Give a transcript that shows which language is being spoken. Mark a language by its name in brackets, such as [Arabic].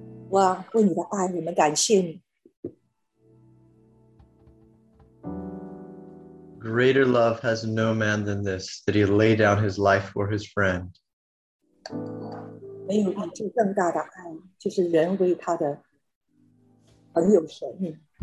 [Chinese] 哇, 为你的爱, 你们感谢你。 [English] Greater love has no man than this, that he lay down his life for his friend. [Chinese] 没有比这更大的爱, 就是人为他的朋友舍命。